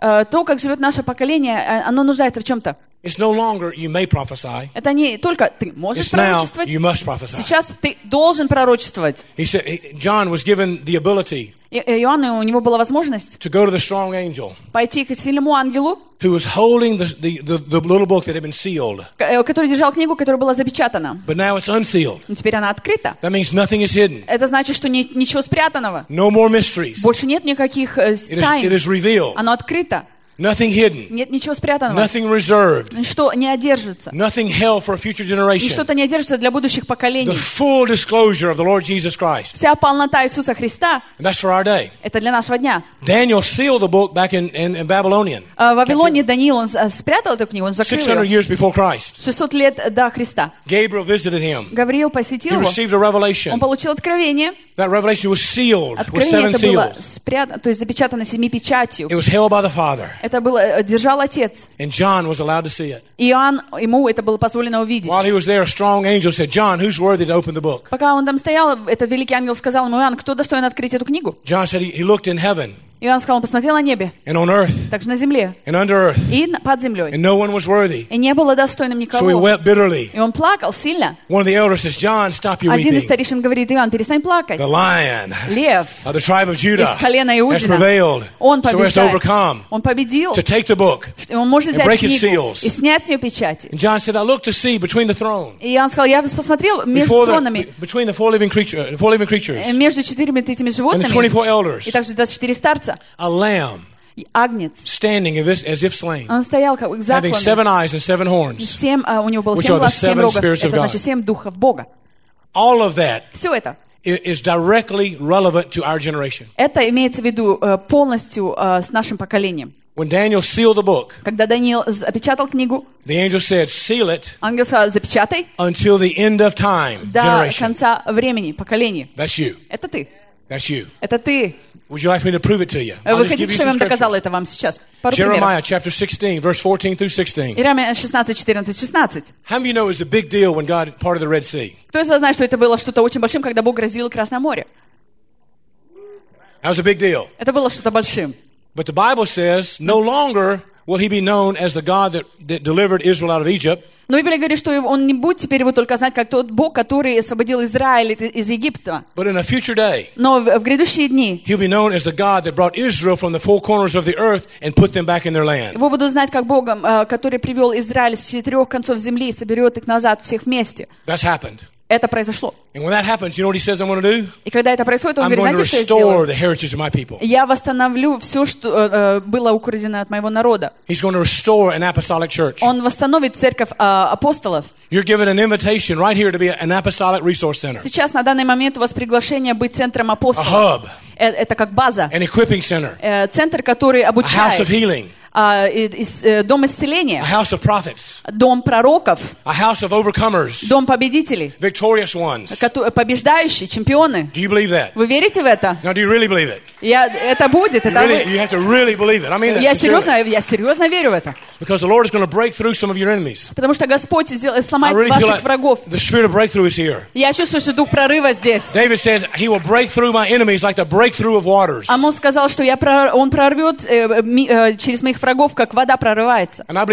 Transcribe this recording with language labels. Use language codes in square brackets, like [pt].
[ru] То, как живет наше поколение, оно нуждается в чем-то. [en] It's no longer you may prophesy. [ru] Это не только ты можешь пророчествовать. [en] You must prophesy. [ru] Сейчас ты должен пророчествовать. [en] He said, John was given the ability. [ru] Иоанну, у него была возможность [en] to go to the strong angel, [ru] пойти к сильному ангелу, [en] who was holding the little book that had been sealed. [ru] Который держал книгу, которая была запечатана. [en] But now it's unsealed. [ru] Но теперь она открыта. [en] That means nothing is hidden. [ru] Это значит, что ничего спрятанного. [en] No more mysteries. [ru] Больше нет никаких тайн. [en] It is revealed. [ru] Оно открыто. [en] Nothing hidden. [ru] Нет ничего спрятанного. [en] Nothing reserved. [ru] Ничто не одержится. [en] Nothing held for a future generation. [ru] Ничто не одержится для будущих поколений. [en] The full disclosure of the Lord Jesus Christ. [ru] Вся полнота Иисуса Христа. [en] And that's for our day. [ru] Это для нашего дня. [en] Daniel sealed the book back in Babylonian. [ru] В Вавилоне Даниил он спрятал эту книгу, он закрыл ее. [en] 600 years before Christ. [ru] 600 лет до Христа. [en] Gabriel visited him. [ru] Гавриил посетил его. [en] He received a revelation. [ru] Он получил откровение. [en] That revelation was sealed with seven seals. [ru] То есть запечатано семи печатью. [en] It was held by the Father. [ru] Это было держал отец. [en] And John was allowed to see it. [ru] Иоанн ему это было позволено увидеть. [en] While he was there, a strong angel said, "John, who's worthy to open the book?" [ru] Пока он там стоял, этот великий ангел сказал ему: "Иоанн, кто достоин открыть эту книгу?" [en] John said he looked in heaven. [ru] Иоанн сказал, он посмотрел на небе. [en] And on earth. [ru] Также на земле. [en] And under earth. [ru] И под землей. [en] And no one was worthy. [ru] И не было достойным никого. [en] So he wept bitterly. [ru] И он плакал сильно. [en] One of the elders says, "John, stop your weeping." [ru] Один из старейшин говорит: "Иоанн, перестань плакать." [en] The lion. [ru] Лев. [en] Of the tribe of Judah. [ru] Из колена Иудина. [en] Has prevailed. [ru] Он победил. [en] So he has to overcome. [ru] Он победил. [en] To take the book. [ru] И он может взять книгу. [en] And break its seals. [ru] И снять с нее печати. [en] And John said, "I looked to see between the throne." [ru] И Иоанн сказал: "Я посмотрел между тронами." [en] Between the four living creatures. [ru] Между четырьмя этими животными. [en] And the 24 elders. [ru] И также 24 старца. [en] A lamb, [ru] Агнец, [en] standing as if slain, [ru] он стоял, как заклан, [en] having seven eyes and seven horns, which are the seven spirits of God. All of that is directly relevant to our generation. [ru] Это имеется в виду полностью с нашим поколением. [en] When Daniel sealed the book, [ru] когда Даниил запечатал книгу, [en] the angel said, "Seal it." [ru] Ангел сказал: "Запечатай." [en] Until the end of time, [ru] до [en] generation. [ru] До конца времени, поколений. [en] That's you. [ru] Это ты. [en] That's you. [ru] Это ты. [en] Would you like me to prove it to you? [ru] Вы хотите, чтобы я вам доказал это вам сейчас? [en] Jeremiah chapter 16, verse 14 through 16. [ru] Иеремия 16:14-16. [en] How many of you know it was a big deal when God parted the Red Sea? [ru] Кто из вас знает, что это было что-то очень большим, когда Бог разделил Красное море? [en] That was a big deal. [ru] Это было что-то большим. [en] But the Bible says, no longer will He be known as the God that delivered Israel out of Egypt. [ru] Но Библия говорит, что он не будет теперь его только знать, как тот Бог, который освободил Израиль из Египта. [en] But in a future day, [ru] но в грядущие дни [en] he'll be known as the God that brought Israel from the four corners of the earth and put them back in their land. [ru] Его будут знать как Богом, который привел Израиль с четырех концов земли и соберет их назад всех вместе. [en] That's happened. [ru] Это произошло. [en] And when that happens, you know what he says I'm going to do? [ru] И когда это происходит, он говорит, знаете, что я сделаю? Я восстановлю все, что было украдено от моего народа. [en] He's going to restore an apostolic church. [ru] Он восстановит церковь апостолов. [en] You're given an invitation right here to be an apostolic resource center. [ru] Сейчас на данный момент у вас приглашение быть центром апостолов. [en] A hub. [ru] Это как база. [en] An equipping center. [ru] Центр, который обучает. [en] A house of healing. [ru] Дом исцеления. [en] A house of prophets. [ru] Дом пророков. [en] A house of overcomers. [ru] Дом победителей. [en] Victorious ones. [ru] Побеждающие, чемпионы. [en] Do you believe that? [ru] Вы верите в это? [en] Now, do you really believe it? [ru] Это будет, это будет. [en] You have to really believe it. I mean that. [ru] Я серьезно верю в это. [en] Because the Lord is going to break through some of your enemies. [ru] Потому что Господь сломает ваших врагов. [en] The spirit of breakthrough is here. [ru] Я чувствую, что дух прорыва здесь. [en] David says he will break through my enemies like the breakthrough of waters. [ru] Амос сказал, что он прорвет через моих врагов, как вода прорывается.